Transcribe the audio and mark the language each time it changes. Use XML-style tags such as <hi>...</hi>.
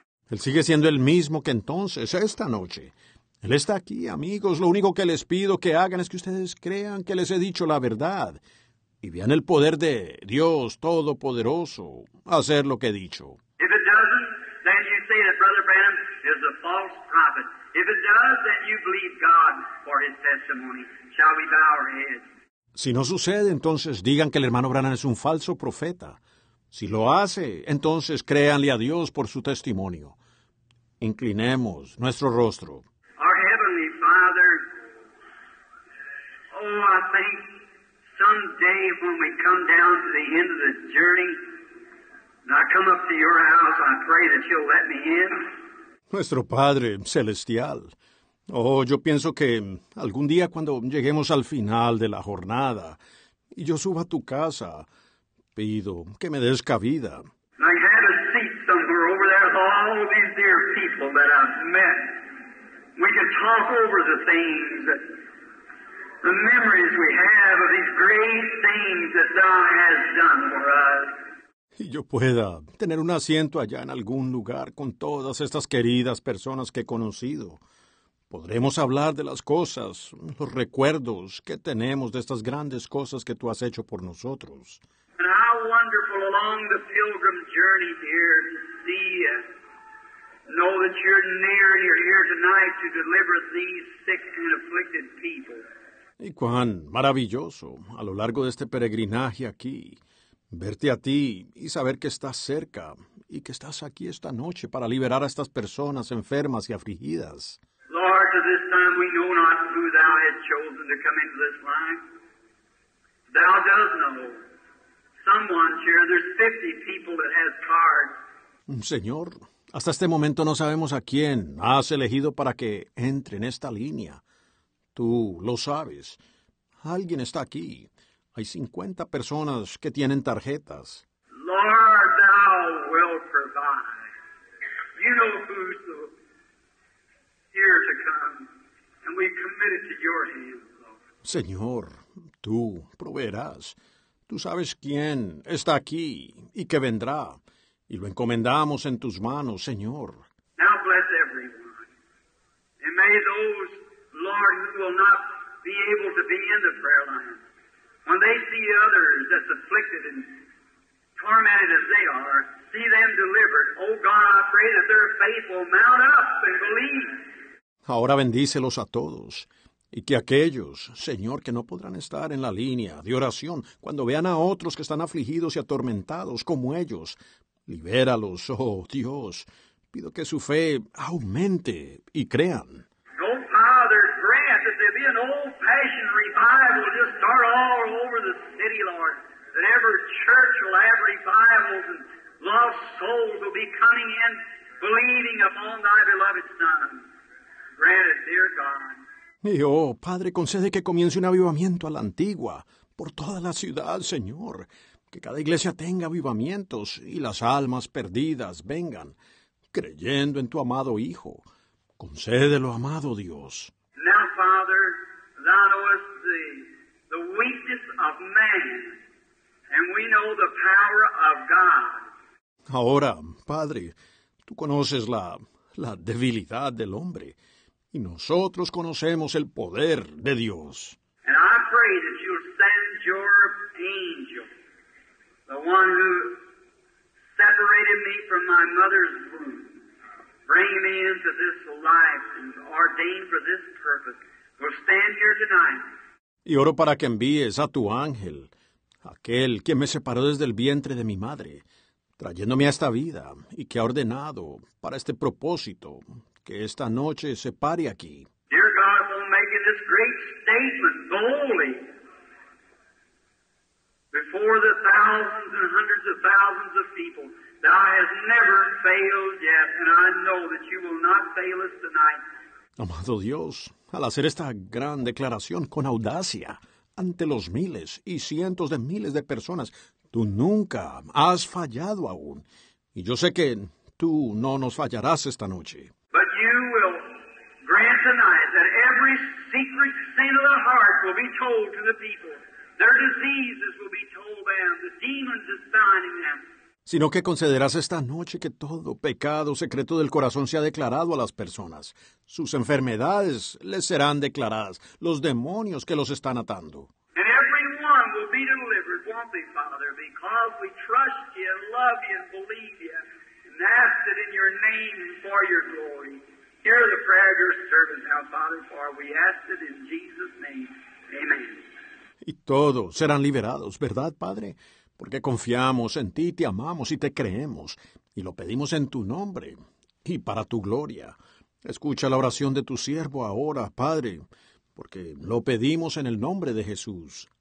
<es>Él sigue siendo el mismo que entonces, esta noche. Él está aquí, amigos. Lo único que les pido que hagan es que ustedes crean que les he dicho la verdad y vean el poder de Dios Todopoderoso hacer lo que he dicho.</es> <en>If it doesn't, then you say that Brother Branham is a false prophet. If it does, then you believe God for his testimony. Shall we bow our heads?</en> <es>Si no sucede, entonces digan que el hermano Branham es un falso profeta. Si lo hace, entonces créanle a Dios por su testimonio. Inclinemos nuestro rostro.</es> <en>Our Heavenly Father, oh, I think someday when we come down to the end of the journey, and I come up to your house, I pray that you'll let me in.</en> <es>Nuestro Padre Celestial, oh, yo pienso que algún día cuando lleguemos al final de la jornada y yo suba a tu casa, pido que me des cabida.</es> <en>I have a seat somewhere over there with all these dear people that I've met. We can talk over the things, the memories we have of these great things that thou has done for us.</en> <es>Y yo pueda tener un asiento allá en algún lugar con todas estas queridas personas que he conocido. Podremos hablar de las cosas, los recuerdos que tenemos de estas grandes cosas que tú has hecho por nosotros.</es> <en>And how wonderful along the pilgrim journey here to see you. Know that you're near and you're here tonight to deliver these sick and afflicted people.</en> <es>Y cuán maravilloso a lo largo de este peregrinaje aquí. Verte a ti y saber que estás cerca y que estás aquí esta noche para liberar a estas personas enfermas y afligidas.</es> <en>Lord, to this time we know not who thou hast chosen to come into this line. Thou dost know. Someone here, there's 50 people that has cards.</en> <es>Señor, hasta este momento no sabemos a quién has elegido para que entre en esta línea. Tú lo sabes. Alguien está aquí. Hay 50 personas que tienen tarjetas.</es> <en>Lord, thou will provide. You know who's here to come. And we commit it to your hands, Lord.</en> <es>Señor, tú proveerás. Tú sabes quién está aquí y que vendrá. Y lo encomendamos en tus manos, Señor.</es> <en>Now bless everyone. And may those, Lord, who will not be able to be in the prayer line, when they see others that's afflicted and tormented as they are, see them delivered. Oh God, I pray that their faith will mount up and believe.</en> <es>Ahora bendícelos a todos. Y que aquellos, Señor, que no podrán estar en la línea de oración, cuando vean a otros que están afligidos y atormentados como ellos, libéralos, oh Dios. Pido que su fe aumente y crean.</es> <en>Oh Father, grant that there be an old-fashioned revival just start all over the city, Lord. That every church will have revivals and lost souls will be coming in, believing upon thy beloved Son. Grant it, dear God.</en> <es>Y oh, Padre, concede que comience un avivamiento a la antigua, por toda la ciudad, Señor. Que cada iglesia tenga avivamientos y las almas perdidas vengan, creyendo en tu amado Hijo. Concédelo, amado Dios.</es> <en>Now, Father, thou knowest the weakness of man, and we know the power of God.</en> <es>Ahora, Padre, tú conoces la debilidad del hombre. y nosotros conocemos el poder de Dios.</es> <en>And I pray that you'll send your angel, the one who separated me from my mother's womb, bring me into this life and ordained for this purpose, will stand here tonight.</en> <es>Y oro para que envíes a tu ángel, aquel que me separó desde el vientre de mi madre, trayéndome a esta vida y que ha ordenado para este propósito que esta noche se pare aquí.</es> <en>Dear God, we're making this great statement boldly before the thousands and hundreds of thousands of people that I have never failed yet, and I know that you will not fail us tonight.</en> <es>Amado Dios, al hacer esta gran declaración con audacia ante los miles y cientos de miles de personas, tú nunca has fallado aún. Y yo sé que tú no nos fallarás esta noche.</es> <en>But you will grant tonight that every secret sin of the heart will be told to the people. Their diseases will be told them. The demons are binding them.</en> <es>Sino que concederás esta noche que todo pecado secreto del corazón sea declarado a las personas. Sus enfermedades les serán declaradas, los demonios que los están atando.</es> <en>And everyone will be delivered, won't they, Father, because we trust you and love you and believe you and ask it in your name and for your glory. Hear the prayer of your servant now, Father, for we ask it in Jesus' name. Amen.</en> <es>Y todos serán liberados, ¿verdad, Padre? Porque confiamos en ti, te amamos y te creemos, y lo pedimos en tu nombre y para tu gloria. Escucha la oración de tu siervo ahora, Padre, porque lo pedimos en el nombre de Jesús.</es>